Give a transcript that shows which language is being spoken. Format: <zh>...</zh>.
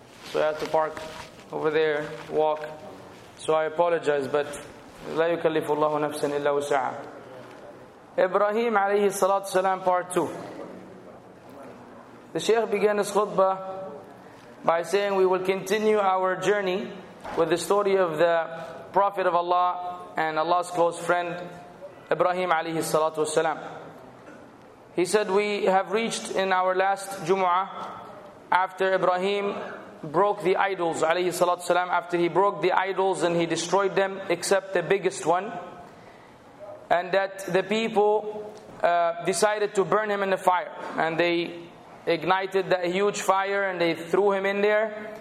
<en>So I have to park over there, walk. So I apologize, but</en> <ar>لا يكلف الله نفسا إلا وسعا.</ar> <en>Ibrahim</en> <ar>عليه الصلاة والسلام,</ar> <en>part 2. The Shaykh began his khutbah by saying, we will continue our journey with the story of the Prophet of Allah and Allah's close friend, Ibrahim alayhi salatu wasalam. He said, we have reached in our last Jumu'ah after Ibrahim broke the idols alayhi salatu wasalam, after he broke the idols and he destroyed them except the biggest one, and that the people decided to burn him in the fire, and they ignited that huge fire and they threw him in there.</en>